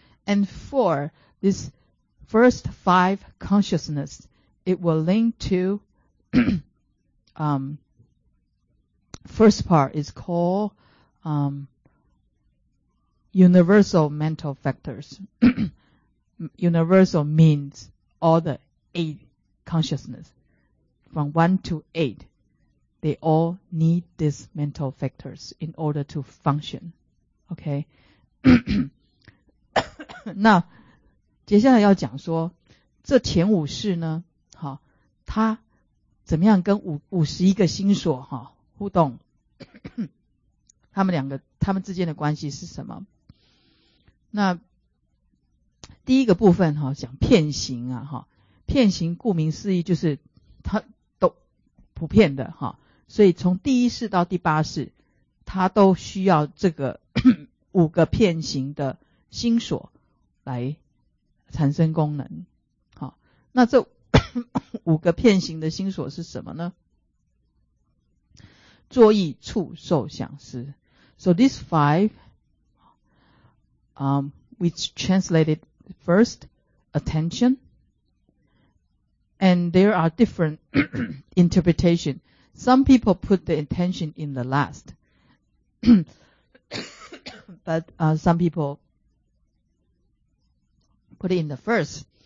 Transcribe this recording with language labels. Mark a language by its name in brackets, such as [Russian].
[English] And for this first five consciousness, it will link to first part is called universal mental factors. Universal means all the eight consciousness from 1 to 8. They all need these mental factors in order to function. Okay. [Chinese] 那接下来要讲说这前五识呢，好，它怎么样跟五十一个心所哈互动？他们两个他们之间的关系是什么？那第一个部分哈，讲片形啊哈，片形顾名思义就是它都普遍的哈，所以从第一识到第八识，它都需要这个五个片形的心所来产生功能。好，那这五个片形的心所是什么呢？作意处受想思。 [English] So these five, which translated first, attention, and there are different interpretation. Some people put the intention in the last, but some people put it in the first.